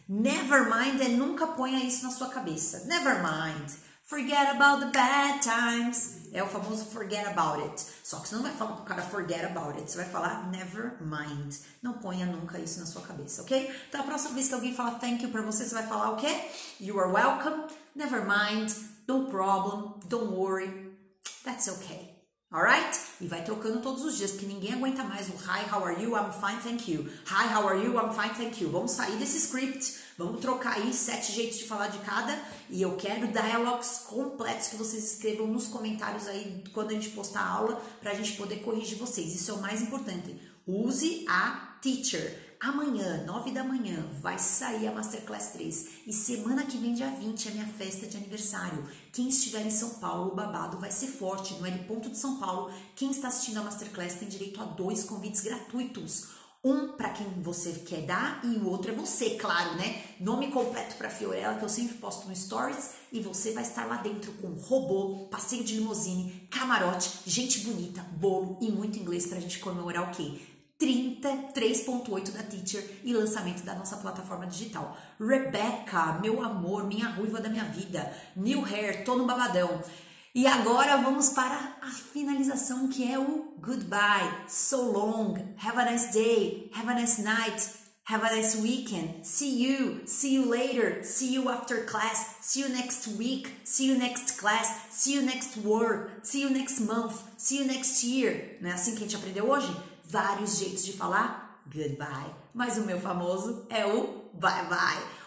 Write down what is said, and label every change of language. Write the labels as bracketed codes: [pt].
[en] Never mind [pt] é nunca ponha isso na sua cabeça. [en] Never mind. Forget about the bad times. [pt] É o famoso [en] forget about it. [pt] Só que você não vai falar pro cara forget about it. Você vai falar never mind. Não ponha nunca isso na sua cabeça, ok? Então, a próxima vez que alguém falar thank you pra você, você vai falar o quê? [en] You are welcome. Never mind, no problem, don't worry, that's okay, alright? [pt] E vai trocando todos os dias, porque ninguém aguenta mais o [en] hi, how are you, I'm fine, thank you. Hi, how are you, I'm fine, thank you. [pt] Vamos sair desse script, vamos trocar aí 7 jeitos de falar de cada e eu quero dialogues completos que vocês escrevam nos comentários aí quando a gente postar a aula pra gente poder corrigir vocês. Isso é o mais importante, use a teacher. Amanhã, 9 da manhã, vai sair a Masterclass 3. E semana que vem, dia 20, é minha festa de aniversário. Quem estiver em São Paulo, o babado vai ser forte. No L.de São Paulo, quem está assistindo a Masterclass tem direito a 2 convites gratuitos. Um para quem você quer dar e o outro é você, claro, né? Nome completo para Fiorella, que eu sempre posto no Stories. E você vai estar lá dentro com robô, passeio de limusine, camarote, gente bonita, bolo e muito inglês para a gente comemorar o quê? 33.8 da Teacher e lançamento da nossa plataforma digital. Rebecca, meu amor, minha ruiva da minha vida. [en] New hair, [pt] tô no babadão. E agora vamos para a finalização, que é o goodbye. [en] So long, have a nice day, have a nice night, have a nice weekend. See you later, see you after class, see you next week, see you next class, see you next work, see you next month, see you next year. [pt] Não é assim que a gente aprendeu hoje? Vários jeitos de falar goodbye. Mas o meu famoso é o bye-bye.